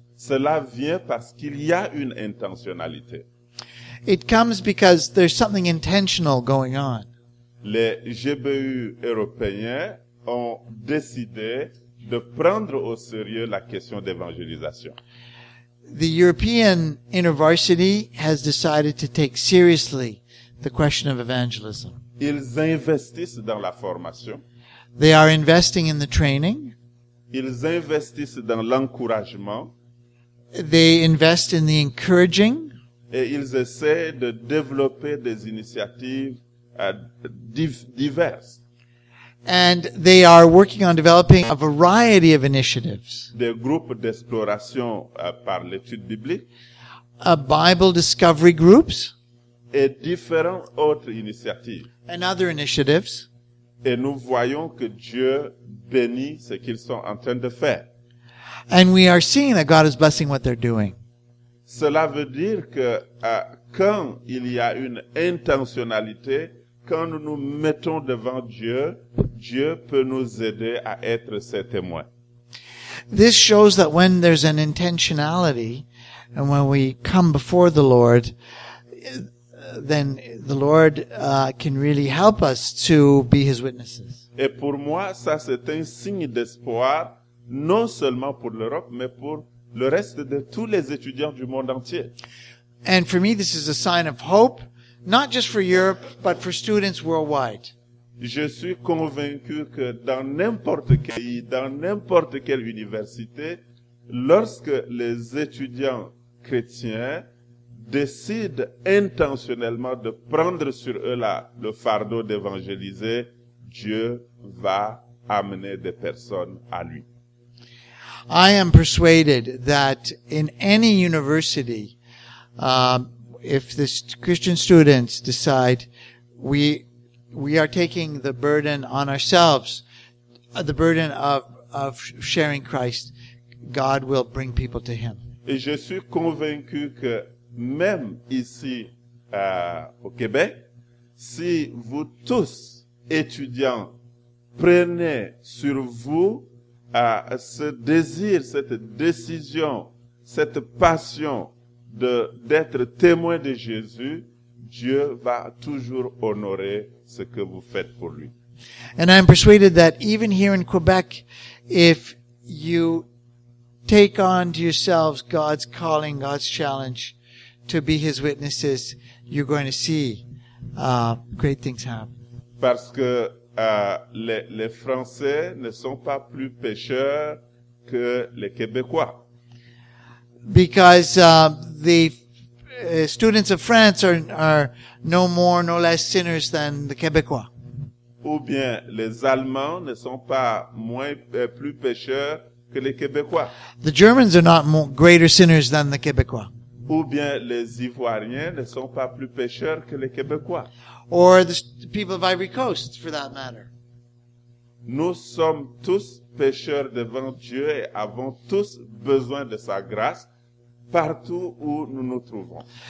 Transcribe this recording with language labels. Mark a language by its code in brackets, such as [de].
[fr] Cela vient parce qu'il y a une intentionnalité. [en] It comes because there's something intentional going on. [fr] Les GBU européens ont décidé de prendre au sérieux la question d'évangélisation. [en] The European InterVarsity has decided to take seriously the question of evangelism. [fr] Ils investissent dans la formation. [en] They are investing in the training. [fr] Ils investissent dans l'encouragement. [en] They invest in the encouraging. [fr] Et ils essaient de développer des initiatives diverses. [en] And they are working on developing a variety of initiatives. [fr] Des groupes d'exploration par l'étude biblique. [en] A Bible discovery groups. [fr] Et différentes autres initiatives. [en] And other initiatives. [fr] Et nous voyons que Dieu bénit ce qu'ils sont en train de faire. [en] And we are seeing that God is blessing what they're doing. [fr] Cela veut dire que quand il y a une intentionnalité, quand nous nous mettons devant Dieu, Dieu peut nous aider à être ses témoins. [en] This shows that when there's an intentionality and when we come before the Lord, then the Lord can really help us to be his witnesses. [fr] Et pour moi, ça c'est un signe d'espoir, non seulement pour l'Europe, mais pour le reste de tous les étudiants du monde entier. [en] And for me, this is a sign of hope, not just for Europe, but for students worldwide. [fr] Je suis convaincu que dans n'importe quel pays, dans n'importe quelle université, lorsque les étudiants chrétiens décident intentionnellement de prendre sur eux le fardeau d'évangéliser, Dieu va amener des personnes à lui. [en] I am persuaded that in any university, if the Christian students decide we are taking the burden on ourselves, the burden of sharing Christ, God will bring people to him. [fr] Et je suis convaincu que même ici au Québec, si vous tous étudiants prenez sur vous ce désir, cette décision, cette passion d'être témoin de Jésus, Dieu va toujours honorer ce que vous faites pour lui. [en] And I'm persuaded that even here in Quebec, if you take on to yourselves God's calling, God's challenge to be his witnesses, you're going to see great things happen. [fr] Parce que les Français ne sont pas plus pécheurs que les Québécois. [en] Because the students of France are no more, no less sinners than the Québécois. [fr] Ou bien les Allemands ne sont pas moins plus pécheurs que les Québécois. [en] The Germans are not greater sinners than the Québécois. [fr] Ou bien les Ivoiriens ne sont pas plus pécheurs que les Québécois. [en] Or the people of Ivory Coast, for that matter. [fr] Nous sommes tous pécheurs devant Dieu et avons tous besoin de sa grâce partout où nous nous trouvons.